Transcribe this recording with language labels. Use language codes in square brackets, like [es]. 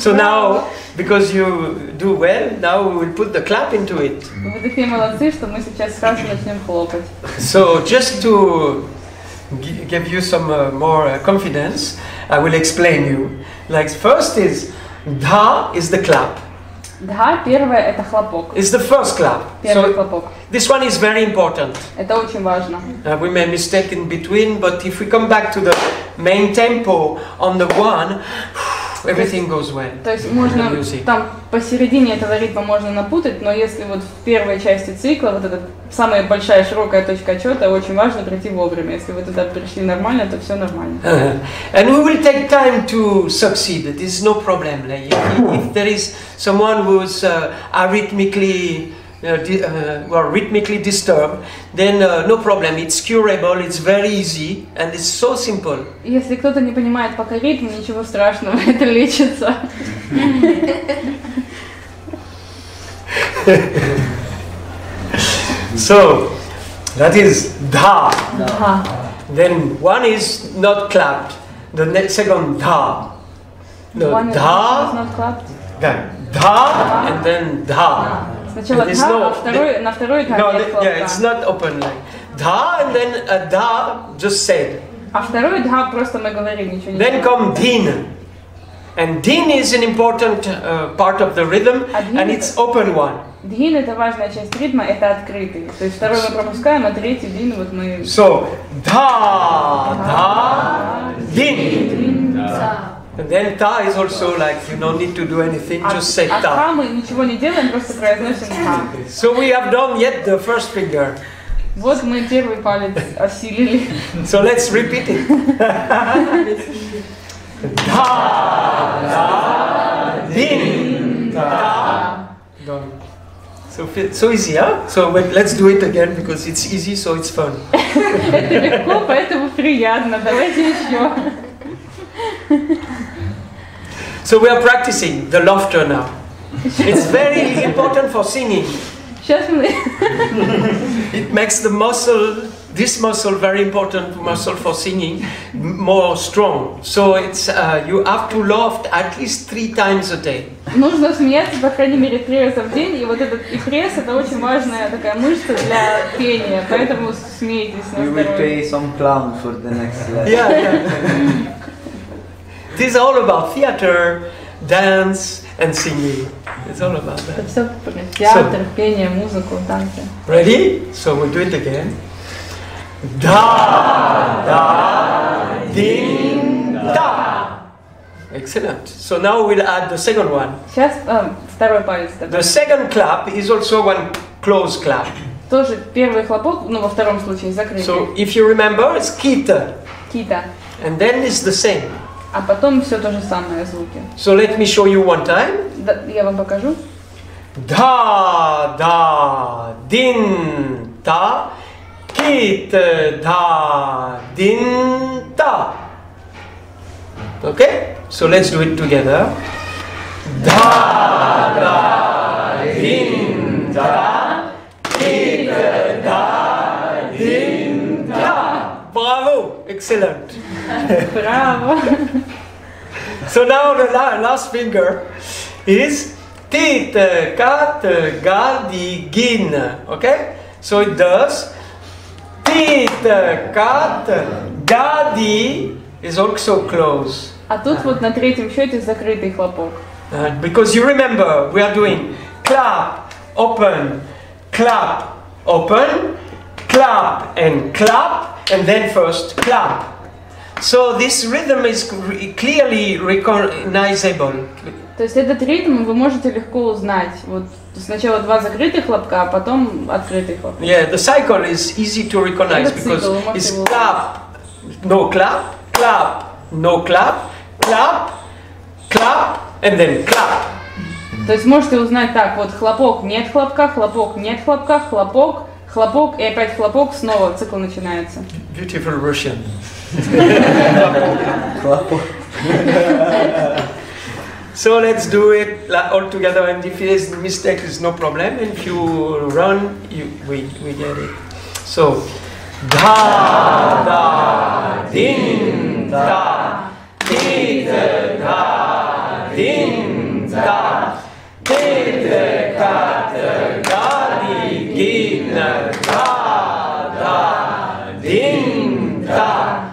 [en] So now, because you do well, now we will put the clap into it. Вы такие молодцы, что мы сейчас сразу начнем хлопать. So just to give you some more confidence, I will explain you. Like first is dha is the clap. [ru] Dha первое это хлопок. [en] It's the first clap. [ru] Первый хлопок. [en] This one is very important. [ru] Это очень важно. [en] We made mistake in between, but if we come back to the main tempo on the one, everything goes well. [ru] То есть можно там посередине этого ритма можно напутать, но если вот в первой части цикла вот эта самая большая широкая точка отчета, очень важно прийти вовремя. Если вы туда пришли нормально, то все нормально. [en] And we will take time to succeed. It is no problem. If there is someone who's arrhythmically rhythmically disturbed, then no problem. It's curable. It's very easy, and it's so simple. [ru] Если кто-то не понимает пока ритм, ничего страшного, это лечится. [en] So that is dha. Dha. Then one is not clapped. The next second dha. No, one dha is not clapped. Then dha, and then dha. Dha. Yeah, it's not open like dha, and then a dha just said. [ru] А второй дха просто мы говорим, ничего не. [en] Then come din, and din is an important part of the rhythm, and it's open one. [ru] Din это важная часть ритма, это открытый. То есть второй мы пропускаем, а третий din вот мы. [en] So dha, dha, din. And then ta is also like you don't need to do anything, just say ta. [ru] А мы ничего не делаем, просто произносим ta. [en] So we have done yet the first finger. [ru] Вот мы первый палец осилили. [en] So let's repeat it. Ta, ta, din, ta, done. So easy, huh? So let's do it again because it's easy, so it's fun. [ru] Это легко, поэтому приятно. Давайте еще. [en] So we are practicing the laughter now. It's very important for singing. It makes the muscle, this muscle, very important muscle for singing, more strong. So it's you have to laugh at least three times a day. [ru] Нужно смеяться по крайней мере три раза в день, и вот этот и пресс это очень важная такая мышца для пения, поэтому смейтесь. [en] We will pay some clown for the next lesson. Yeah. It is all about theater, dance, and singing. It's all about that. [ru] Это все про театр, пение, музыку, танцы. [en] Ready? So we'll do it again. Da, da, din, da. Excellent. So now we'll add the second one. [ru] Сейчас второй палец. [en] The second clap is also one closed clap. [ru] Тоже первый хлопок, но во втором случае закрытый. [en] So if you remember, it's kita. Kita. And then it's the same. [ru] А потом все то же самое звуки. [en] So let me show you one time. [ru] Да, я вам покажу. [en] Да, да, дин, та, кит, да, дин, та. Okay? So let's do it together. Да, да, дин, та, кит, да, дин, та. Браво! Excellent. [ru] Браво. [en] So now the last finger is tit, kat, ga, di, gin. Okay? So it does tit, kat, ga, di is also close. [ru] А тут вот на третьем счете закрытый хлопок. [en] Because you remember, we are doing clap, open, clap, open, clap and clap, and then first clap. So this rhythm is clearly recognizable. [ru] То есть этот ритм вы можете легко узнать. Вот сначала два закрытых хлопка, а потом открытый хлопок. [en] Yeah, the cycle is easy to recognize because it's clap, no clap, clap, no clap, clap, clap, and then clap. [ru] То есть можете узнать так, вот хлопок, нет хлопка, хлопок, нет хлопка, хлопок, хлопок, и опять хлопок, снова цикл начинается. [en] Beautiful Russian. So let's do it all together, and if it is a mistake, it's no problem. If you run, we get it. So, da, da, din, da, dit, da, din, da, dit, kat, ga, di, gin, da, da, din, da.